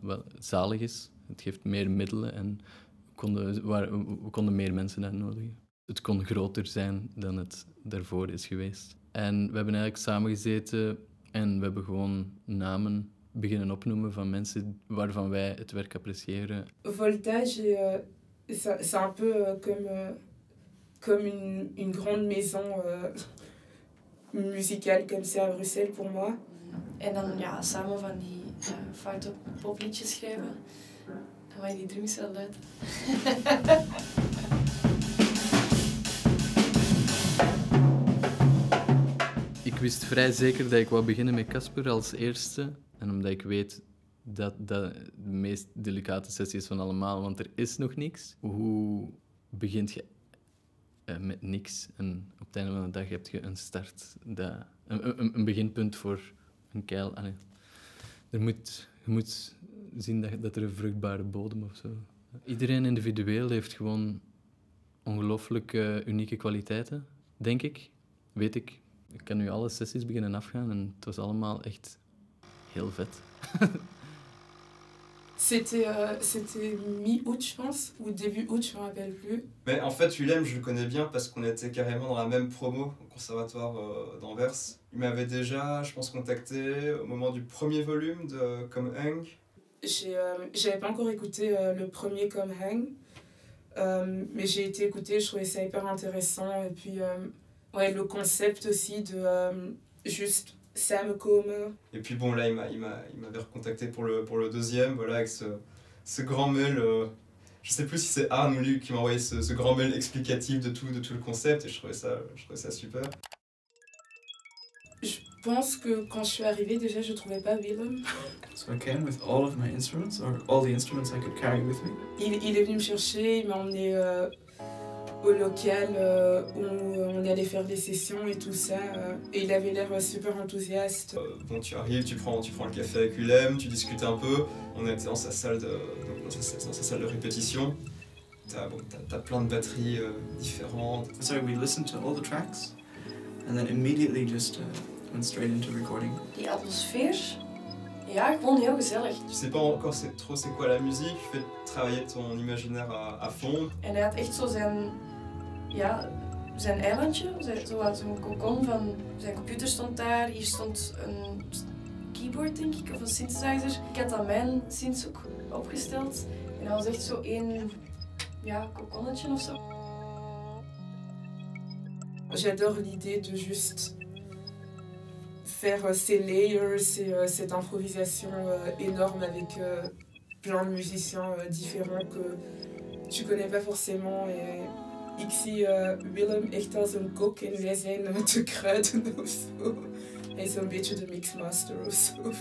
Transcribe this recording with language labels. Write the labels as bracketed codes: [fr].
[nl] Wel, zalig is. Het geeft meer middelen en we konden meer mensen uitnodigen. Het kon groter zijn dan het daarvoor is geweest. En we hebben eigenlijk samengezeten en we hebben gewoon namen beginnen opnoemen van mensen waarvan wij het werk appreciëren. Voltage... [fr] C'est un peu comme une grande maison musicale comme c'est à Bruxelles pour moi. [nl] En dan ja, samen van die foute popliedjes schrijven. Dan waren die drums wel luid. Ik wist vrij zeker dat ik wou beginnen met Casper als eerste. En omdat ik weet... Dat de meest delicate sessie is van allemaal, want er is nog niks. Hoe begin je met niks? En op het einde van de dag heb je een start, een beginpunt voor een keil. Je moet zien dat er een vruchtbare bodem of zo. Iedereen individueel heeft gewoon ongelooflijk unieke kwaliteiten, denk ik. Weet ik. Ik kan nu alle sessies beginnen afgaan en het was allemaal echt heel vet. [fr] C'était mi-août, je pense, ou début août, je ne me rappelle plus. Mais en fait, Willem, je le connais bien parce qu'on était carrément dans la même promo au conservatoire d'Anvers. Il m'avait déjà, je pense, contacté au moment du premier volume de Kom Heng. J'avais pas encore écouté le premier Kom Heng, mais j'ai été écouter, je trouvais ça hyper intéressant. Et puis, ouais, le concept aussi de juste... Sam Comer. Et puis bon, là, il m'avait recontacté pour le deuxième, voilà, avec ce grand mail. Je sais plus si c'est Arne ou Luc qui m'a envoyé ce grand mail explicatif de tout le concept, et je trouvais ça super. Je pense que quand je suis arrivée, déjà, je trouvais pas Willem. [en] So I came with all of my instruments, or all the instruments I could carry with me? [fr] Il est venu me chercher, il m'a emmené au local où on allait faire des sessions et tout ça. Et il avait l'air super enthousiaste. Bon, tu arrives, tu prends le café avec Willem, tu discutes un peu. On était dans sa salle de répétition. T'as plein de batteries différentes. [en] So we listened to all the tracks and then immediately just went straight into recording. [nl] Die atmosfeer. Ja, gewoon heel gezellig. [fr] Tu sais pas encore trop c'est quoi la musique, tu fais travailler ton imaginaire à fond. [nl] En hij had echt zo zijn eilandje, zo'n cocon van zijn computer stond daar, hier stond een keyboard, denk ik, of een synthesizer. Ik had dat mijn synth ook opgesteld. En dat was echt zo één, ja, kokonnetje of zo. [fr] J'adore l'idée de juste faire ces layers, cette improvisation énorme avec plein de musiciens différents que tu connais pas forcément. [nl] Et ik zie Willem echt als een kok en wij zijn de kruiden ofzo. Hij is een beetje de mixmaster ofzo.